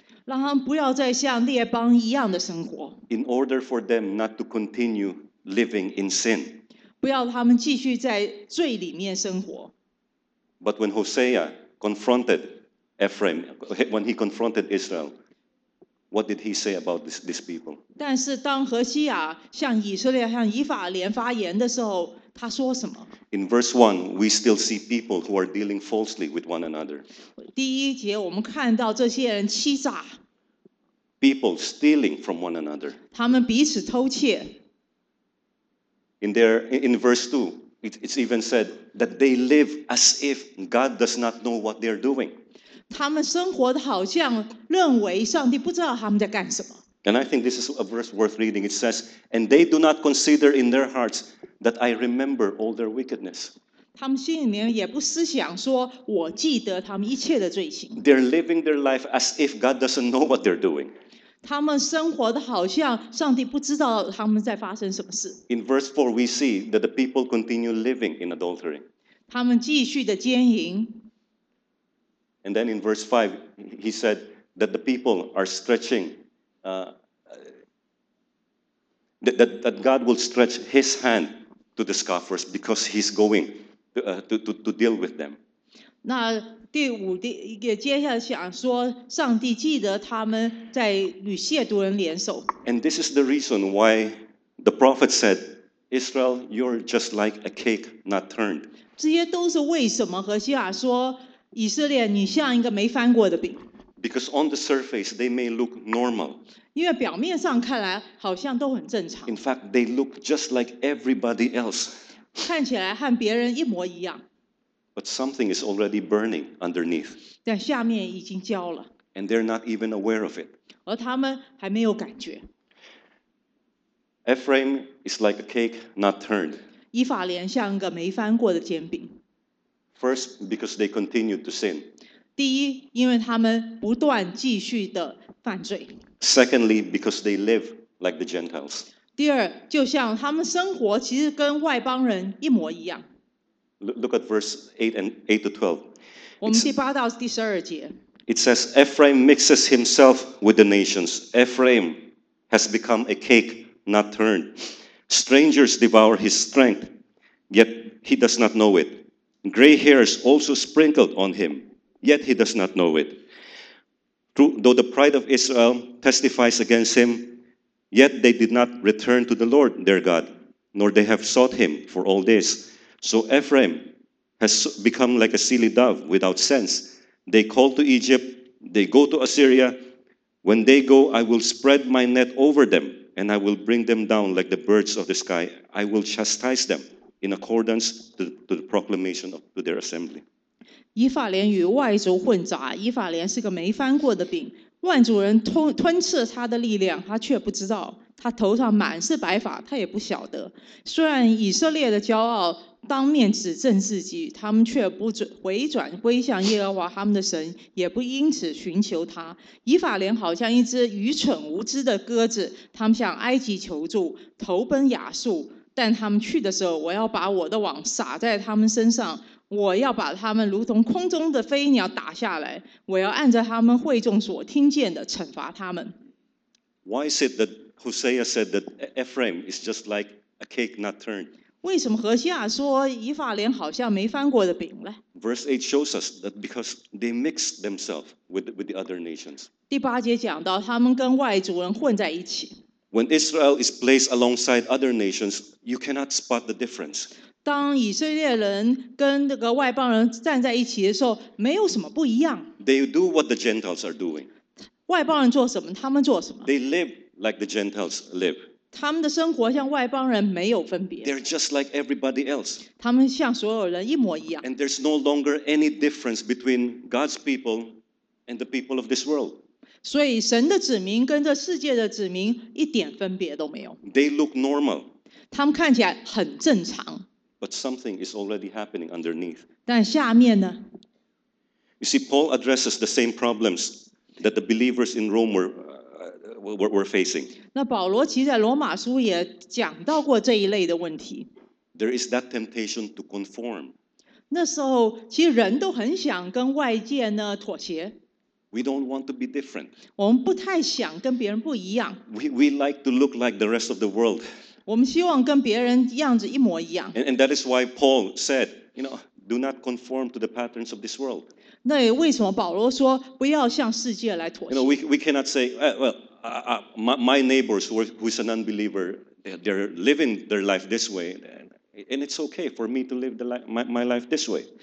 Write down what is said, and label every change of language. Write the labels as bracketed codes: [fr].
[zh] 让他们不要再像列邦一样的生活。 [en] In order for them not to continue living in sin. [zh] 不要他们继续在罪里面生活。 [en] But when Hosea confronted Ephraim, when he confronted Israel, what did he say about these people? [zh] 但是当何西亚向以色列、向以法莲发言的时候，他说什么？ [en] In verse 1, we still see people who are dealing falsely with one another. [zh] 第一节我们看到这些人欺诈。 [en] People stealing from one another. [zh] 他们彼此偷窃。 [en] In verse 2, it's even said that they live as if God does not know what they're doing. [zh] 他们生活的好像认为上帝不知道他们在干什么。 [en] And I think this is a verse worth reading. It says, And they do not consider in their hearts that I remember all their wickedness. [zh] 他们心里面也不思想说我记得他们一切的罪行。 [en] They're living their life as if God doesn't know what they're doing. [zh] 他们生活的好像上帝不知道他们在发生什么事。 [en] In verse 4, we see that the people continue living in adultery. [zh] 他们继续的奸淫。 [en] And then in verse 5, he said that the people are stretching, that God will stretch his hand to the scoffers because he's going to deal with them. [zh] 那第五也接下来想说上帝记得他们在与亵渎人联手。 [en] And this is the reason why the prophet said, Israel, you're just like a cake not turned. [zh] 这些都是为什么何西亚说以色列，你像一个没翻过的饼。 [en] Because on the surface they may look normal. [zh] 因为表面上看来好像都很正常。 [en] In fact, they look just like everybody else. [zh] 看起来和别人一模一样。 [en] But something is already burning underneath. [zh] 但下面已经焦了。 [en] And they're not even aware of it. [zh] 而他们还没有感觉。 [en] Ephraim is like a cake not turned. [zh] 以法莲像个没翻过的煎饼。 [en] First, because they continued to sin. [zh] 第一，因为他们不断继续的犯罪。 [en] Secondly, because they live like the Gentiles. [zh] 第二，就像他们生活其实跟外邦人一模一样。 [en] Look at verse 8 to 12. [zh] 我们第八到第十二节。 [en] It says, Ephraim mixes himself with the nations. Ephraim has become a cake not turned. Strangers devour his strength, yet he does not know it. Gray hairs also sprinkled on him, yet he does not know it. Though the pride of Israel testifies against him, yet they did not return to the Lord their God, nor they have sought him for all this. So Ephraim has become like a silly dove without sense. They call to Egypt, they go to Assyria. When they go, I will spread my net over them, and I will bring them down like the birds of the sky. I will chastise them. In accordance to the proclamation of to their assembly. [zh] 以法莲与外族混杂，以法莲是个没翻过的饼。万族人吞吃了他的力量，他却不知道。他头上满是白发，他也不晓得。虽然以色列的骄傲当面指证自己，他们却不回转归向耶和华他们的神，也不因此寻求他。以法莲好像一只愚蠢无知的鸽子，他们向埃及求助，投奔亚述。但他们去的时候，我要把我的网撒在他们身上，我要把他们如同空中的飞鸟打下来，我要按着他们会众所听见的惩罚他们。 [en] Why is it that Hosea said that Ephraim is just like a cake not turned? [zh] 为什么何西亚说以法莲好像没翻过的饼呢？ [en] Verse 8 shows us that because they mixed themselves with the other nations. [zh] 第八节讲到他们跟外族人混在一起。 [en] When Israel is placed alongside other nations, you cannot spot the difference. [zh] 当以色列人跟那个外邦人站在一起的时候，没有什么不一样。 [en] They do what the Gentiles are doing. [zh] 外邦人做什么，他们做什么。 [en] They live like the Gentiles live. [zh] 他们的生活像外邦人没有分别。 [en] They're just like everybody else. [zh] 他们像所有人一模一样。 [en] And there's no longer any difference between God's people and the people of this world. [zh] 所以神的子民跟这世界的子民一点分别都没有。 [en] They look normal. [zh] 他们看起来很正常。 [en] But something is already happening underneath. [zh] 但下面呢？ [en] You see, Paul addresses the same problems that the believers in Rome were facing. [zh] 那保罗其实在罗马书也讲到过这一类的问题。 [en] There is that temptation to conform. [zh] 那时候其实人都很想跟外界呢妥协。 [en] We don't want to be different. [zh] 我们不太想跟别人不一样。 [en] We like to look like the rest of the world. [zh] 我们希望跟别人样子一模一样。 [en] And that is why Paul said, you know, do not conform to the patterns of this world. [zh] 那为什么保罗说不要向世界来妥协？ [en] You know, we cannot say, well, my neighbors who is an unbeliever, they're living their life this way. And it's okay for me to live my life this way.